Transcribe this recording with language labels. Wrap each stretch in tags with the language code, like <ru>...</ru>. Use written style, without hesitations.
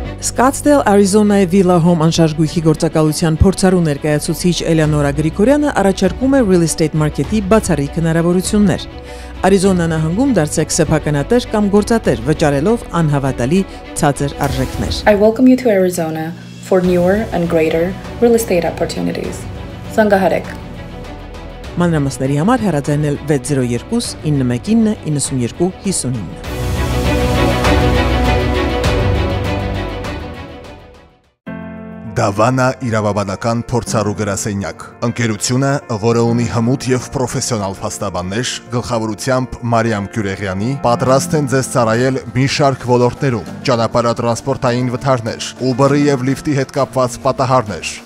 <hy>Scottsdale, Arizona-ի Villa Home անշարժ գույքի գործակալության փորձառու ներկայացուցիչ Էլեոնորա Գրիգորյանը առաջարկում է</hy> <en>real estate market-</en> <hy>ի բացառիկ հնարավորություններ։ Arizona նահանգում դարձեք սեփականատեր կամ գործատեր, վճարելով անհավատալի ցածր արժեքներ։</hy> <en>I welcome you to Arizona for newer and greater real estate opportunities.</en> <hy>Զանգահարեք։ Մանրամասների համար հեռաձայնել 602-919-9259. Դավանա իրավաբանական փորձառու գրասենյակ, ընկերությունը, որը ունի հմուտ և պրոֆեսիոնալ փաստաբաններ, գլխավորությամբ Մարիամ Քյուրեղյանի, պատրաստ են ձեզ ծառայել մի շարք ոլորտներում, ճանապարհատրանսպորտային վթարներ, Uber-ի և Lyft-ի հետ կապված պատահարներ,</hy>